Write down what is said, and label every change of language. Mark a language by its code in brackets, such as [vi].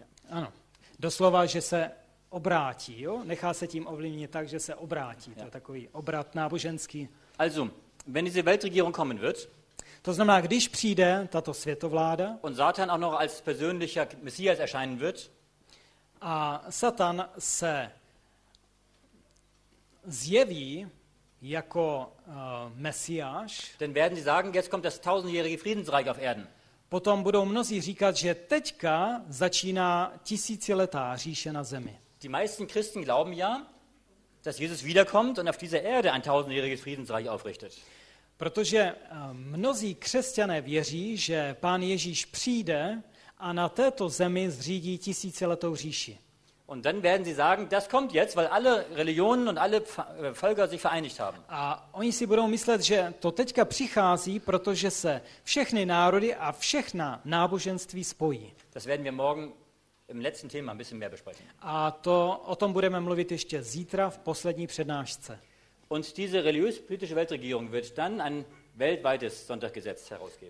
[cs] Ano, doslova, že se obrátí, jo? Nechá se tím ovlivnit tak, že se obrátí. To je takový obrat náboženský. [de] Also, wenn diese Weltregierung kommen wird, [cs] to znamená, když přijde tato světovláda [de] und Satan auch noch als persönlicher Messias erscheinen wird, [cs] a Satan se zjeví jako Mesiáš, [de] denn werden sie sagen, jetzt kommt das tausendjährige Friedensreich auf Erden. [cs] Potom budou mnozí říkat, že teďka začíná tisíciletá říše na zemi. [de] Die meisten Christen glauben ja, dass Jesus wiederkommt und auf dieser Erde ein tausendjähriges Friedensreich aufrichtet. [cs] Protože mnozí křesťané věří, že Pán Ježíš přijde a na této zemi zřídí tisíciletou říši. [de] Und dann werden sie sagen, das kommt jetzt, weil alle Religionen und alle Völker sich vereinigt haben. [cs] A oni si budou myslet, že to teďka přichází, protože se všechny národy a všechna náboženství spojí. [de] Das werden wir morgen im letzten Thema ein bisschen mehr besprechen. [cs] A to o tom budeme mluvit ještě zítra v poslední přednášce. [de] Und diese religiös-politische Weltregierung wird dann ein weltweites Sonntaggesetz herausgeben.